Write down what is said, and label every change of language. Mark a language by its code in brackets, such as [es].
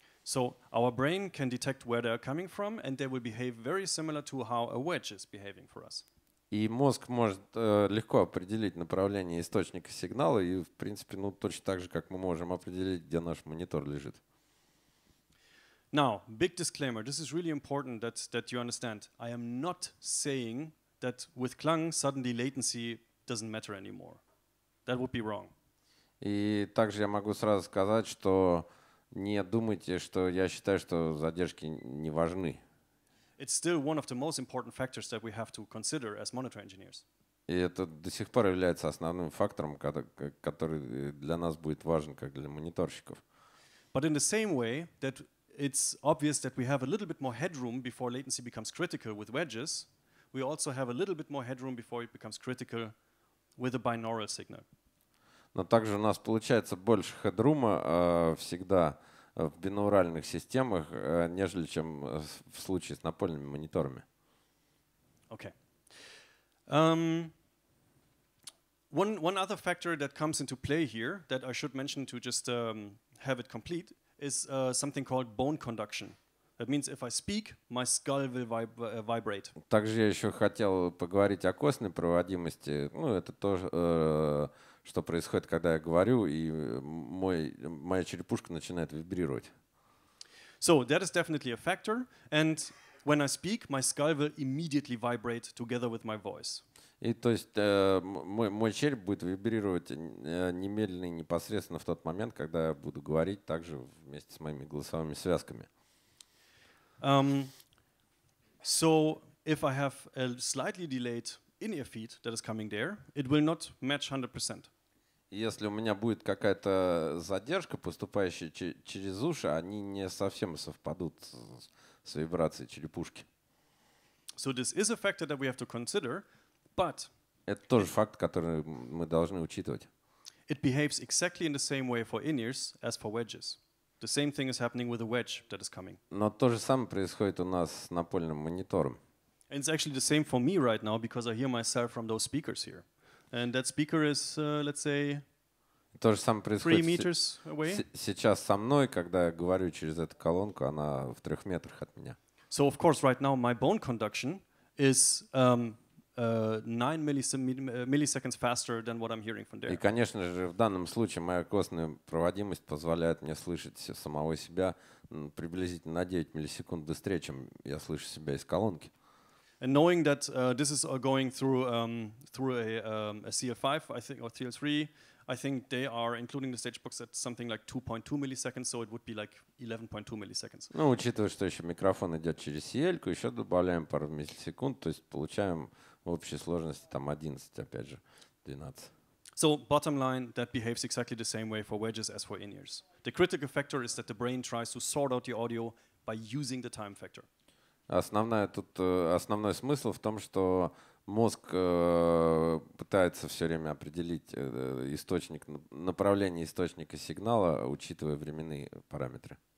[en] So our brain can detect where they are coming from, and they will behave very similar to how a wedge is behaving for us. [ru] И мозг может легко определить направление источника сигнала, и в принципе, ну точно так же, как мы можем определить, где наш монитор лежит. [en] Now, big disclaimer: this is really important that you understand. I am not saying that with KLANG suddenly latency doesn't matter anymore. That would be wrong. [ru] И также я могу сразу сказать, что не думайте, что я считаю, что задержки не важны. [en] It's still one of the most important factors that we have to consider as monitor engineers. [ru] И это до сих пор является основным фактором, который для нас будет важен, как для мониторщиков. [en] But in the same way that it's obvious that we have a little bit more headroom before latency becomes critical with wedges, we also have a little bit more headroom before it becomes critical with a binaural signal. [ru] Но также у нас получается больше хедрума всегда в бинауральных системах, нежели чем в случае с напольными мониторами. [en] Okay. One other factor that comes into play here that I should mention to just have it complete is something called bone conduction. That means if I speak, my skull will vibrate. [ru] Также я еще хотел поговорить о костной проводимости. Ну, это тоже что происходит, когда я говорю, и моя черепушка начинает вибрировать. [en] So that is definitely a factor. And when I speak, my skull will immediately vibrate together with my voice. [ru] И то есть мой череп будет вибрировать немедленно и непосредственно в тот момент, когда я буду говорить также вместе с моими голосовыми связками. [en] So if I have a slightly delayed in-ear feed that is coming there, it will not match 100%. [ru] Если у меня будет какая-то задержка, поступающая через уши, они не совсем совпадут с вибрацией черепушки. [en] So this is a factor that we have to consider, But [ru] это тоже факт, который мы должны учитывать. [en] It behaves exactly in the same way for in-ears as for wedges. The same thing is happening with the wedge that is coming. [ru] Но то же самое происходит у нас с напольным монитором. [en] And it's actually the same for me right now because I hear myself from those speakers here. And that speaker is, let's say, [ru] то же самое происходит [en] 3 meters away. [ru] Сейчас со мной, когда я говорю через эту колонку, она в 3 метрах от меня. [en] So of course right now my bone conduction is 9 milliseconds faster than what I'm hearing from there. [ru] И, конечно же, в данном случае моя костная проводимость позволяет мне слышать самого себя приблизительно на 9 миллисекунд быстрее, чем я слышу себя из колонки. [en] And knowing that this is going through a CL5, I think, or CL3, I think they are including the stage box at something like 2.2 milliseconds, so it would be like 11.2 milliseconds. [ru] Ну, учитывая, что еще микрофон идет через CL-ку, еще добавляем пару миллисекунд, то есть получаем в общей сложности там 11, опять же, 12. [en] So, bottom line, that behaves exactly the same way for wedges as for in-ears. The critical factor is that the brain tries to sort out the audio by using the time factor. [ru] Основной смысл в том, что мозг пытается все время определить источник, направление источника сигнала, учитывая временные параметры.